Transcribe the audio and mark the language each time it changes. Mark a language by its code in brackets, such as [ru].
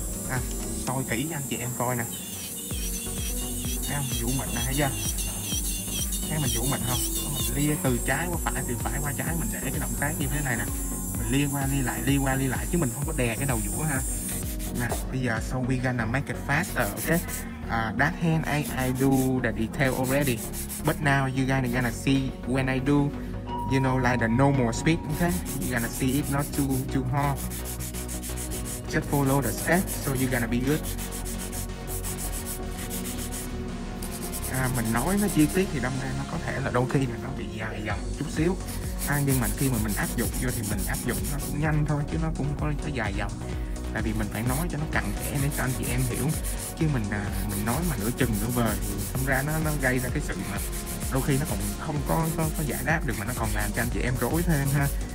[vi] À, soi kỹ cho anh chị em coi nè, thấy không? Vũ mạnh nè, thấy chưa? Thấy mình vũ mạnh không? Mình lia từ trái qua phải, từ phải qua trái, mình để cái động tác như thế này nè, mình lia qua lia lại, lia qua lia lại, chứ mình không có đè cái đầu đũa ha. Nè, bây giờ [en] so we gonna make it fast, okay? That hand I do the detail already, but now you guys are gonna see when I do. You know, like the normal speed, okay? You're gonna see it not too hard. Just follow the step, so you're gonna be good. [vi] À, mình nói nó chi tiết thì đâm ra nó có thể là đôi khi là nó bị dài dòng chút xíu. À, nhưng mà khi mà mình áp dụng vô thì mình áp dụng nó cũng nhanh thôi, chứ nó cũng không có dài dòng. Tại vì mình phải nói cho nó cặn kẽ để cho anh chị em hiểu. Chứ mình nói mà nửa chừng nửa vời thì thâm ra nó gây ra cái sự mà đôi khi nó còn không có giải đáp được, mà nó còn làm cho anh chị em rối thêm ha.